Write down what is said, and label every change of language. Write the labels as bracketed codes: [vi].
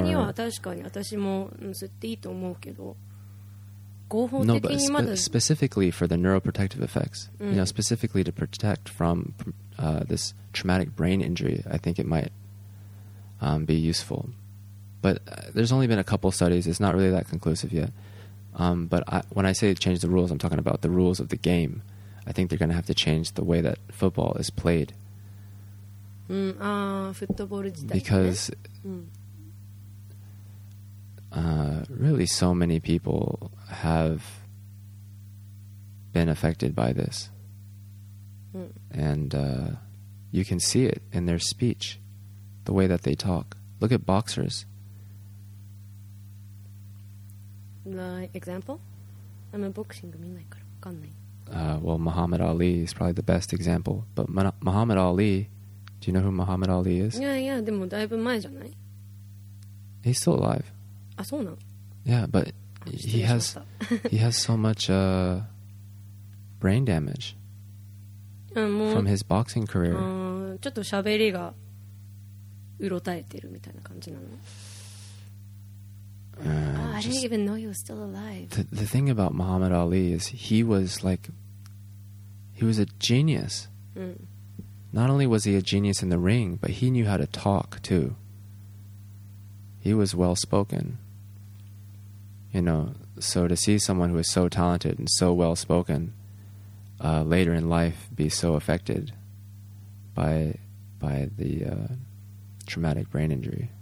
[ja] 科学的には確かに私も吸っていいと思うけど。合法的にまだ [en] No, but specifically for the neuroprotective effects、うん、you know, specifically to protect from、this traumatic brain injury, I think it might、be useful. But、there's only been a couple studies, it's not really that conclusive yet.、but I, when I say change the rules, I'm talking about the rules of the game. I think they're going to have to change the way that football is played.、 [ja] うん、ああ、フットボール自体ね。 [en] Because、うんreally so many people have been affected by this、うん、 and、you can see it in their speech, the way that they talk. Look at boxers. Like example? I'm a boxing guy, I don't know. Well, Muhammad Ali is probably the best example, but Muhammad Ali, do you know who Muhammad Ali is? [ja] Yeah, でもだいぶ前じゃない? [en] He's still alive [ja] あ、そうなん? [en] Yeah, but he has, he has so much、brain damage from his boxing career. [ja] ちょっと喋りがうろたえてるみたいな感じなの? [en] I didn't even know he was still alive. The thing about Muhammad Ali is he was like, he was a genius. Not only was he a genius in the ring, but he knew how to talk too. He was well-spoken. You know, so to see someone who is so talented and so well spoken、later in life be so affected by the、traumatic brain injury.